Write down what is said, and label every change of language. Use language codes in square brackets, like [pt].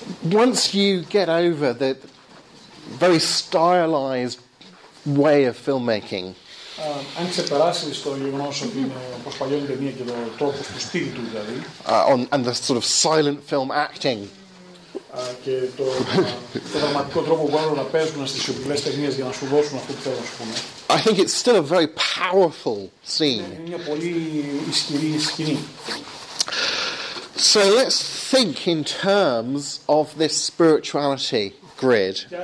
[en] Once you get over the very stylized way of filmmaking, [el] αν ξεπεράσεις το γεγονός ότι είναι πως παλιώνει ταινία και το τρόπο του στυλ του δηλαδή, [en] and the sort of silent film acting, [el] και το δραματικό τρόπο που μπορούν να παίζουν στις σιωπηλές ταινίες για να σου δώσουν αυτό που θέλουν, ας πούμε, [en] I think it's still a very powerful scene. [el] Είναι μια πολύ ισχυρή σκηνή. [en] So let's think in terms of this spirituality grid.